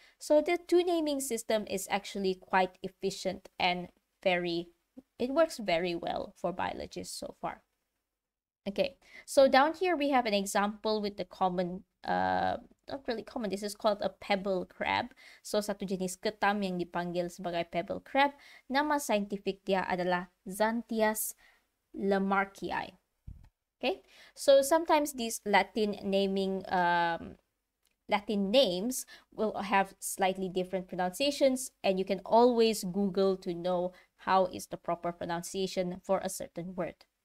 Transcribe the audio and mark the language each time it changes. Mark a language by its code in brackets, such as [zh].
[en] So the two naming system is actually quite efficient and it works very well for biologists so far. Okay, so down here we have an example with the common, not really common, this is called a pebble crab. [ms] So satu jenis ketam yang dipanggil sebagai pebble crab, nama scientific dia adalah Xanthias Lamarckii. [en] Okay, so sometimes these Latin naming, Latin names will have slightly different pronunciations, and you can always Google to know how is the proper pronunciation for a certain word.